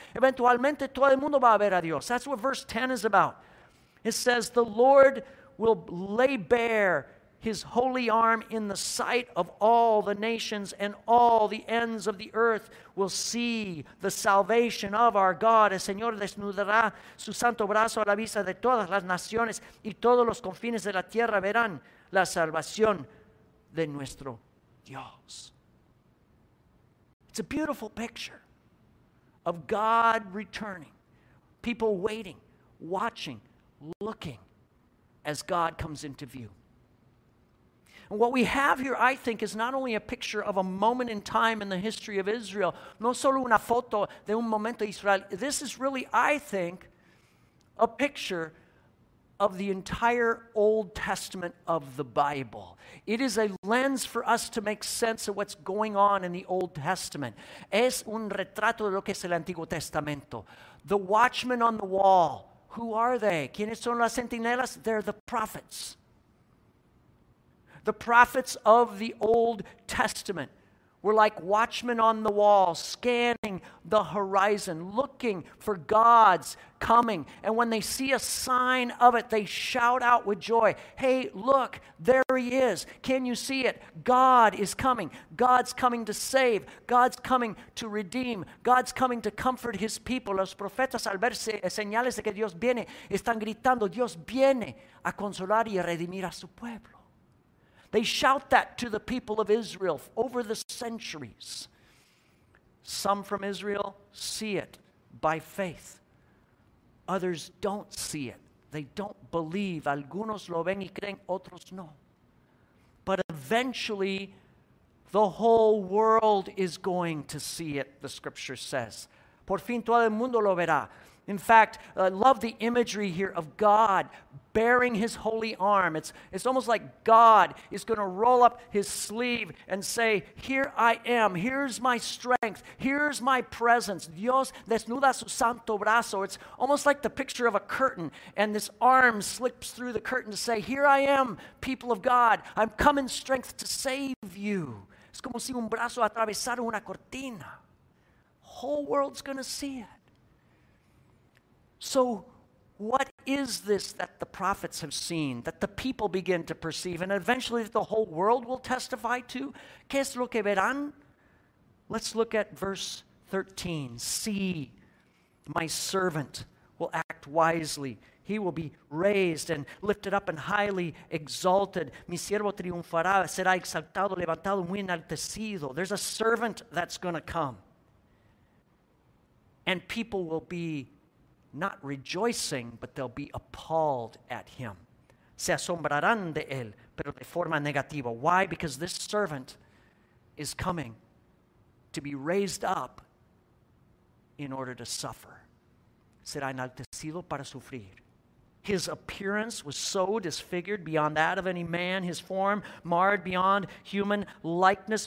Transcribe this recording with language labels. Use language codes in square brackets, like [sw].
[es] Eventualmente todo el mundo va a ver a Dios. [en] That's what verse 10 is about. It says, the Lord will lay bare his holy arm in the sight of all the nations, and all the ends of the earth will see the salvation of our God. [es] El Señor desnudará su santo brazo a la vista de todas las naciones, y todos los confines de la tierra verán la salvación de nuestro Dios. [en] It's a beautiful picture of God returning, people waiting, watching, looking as God comes into view. And what we have here, I think, is not only a picture of a moment in time in the history of Israel, [es] no solo una foto de un momento de Israel. [en] This is really, I think, a picture of the entire Old Testament of the Bible. It is a lens for us to make sense of what's going on in the Old Testament. [es] Es un retrato de lo que es el Antiguo Testamento. [en] The watchmen on the wall, who are they? [es] ¿Quiénes son las centinelas? [en] They're the prophets. The prophets of the Old Testament were like watchmen on the wall, scanning the horizon, looking for God's coming. And when they see a sign of it, they shout out with joy. Hey, look, there he is. Can you see it? God is coming. God's coming to save. God's coming to redeem. God's coming to comfort his people. [es] Los profetas, al ver señales de que Dios viene, están gritando, Dios viene a consolar y a redimir a su pueblo. [en] They shout that to the people of Israel over the centuries. Some from Israel see it, by faith. Others don't see it. They don't believe. [es] Algunos lo ven y creen, otros no. [en] But eventually, the whole world is going to see it, the scripture says. [es] Por fin todo el mundo lo verá. [en] In fact, I love the imagery here of God bearing his holy arm. It's almost like God is going to roll up his sleeve and say, here I am, here's my strength, here's my presence. [es] Dios desnuda su santo brazo. [en] It's almost like the picture of a curtain, and this arm slips through the curtain to say, here I am, people of God. I've come in strength to save you. [es] Es como si un brazo atravesara una cortina. [en] Whole world's going to see it. So what is this that the prophets have seen, that the people begin to perceive, and eventually that the whole world will testify to? [es] ¿Qué es lo que verán? [en] Let's look at verse 13. See, my servant will act wisely. He will be raised and lifted up and highly exalted. [es] Mi siervo triunfará, será exaltado, levantado, muy enaltecido. [en] There's a servant that's going to come. And people will be not rejoicing, but they'll be appalled at him. [es] Se asombrarán de él, pero de forma negativa. [en] Why? Because this servant is coming to be raised up in order to suffer. [es] Será enaltecido para sufrir. [en] His appearance was so disfigured beyond that of any man. His form marred beyond human likeness.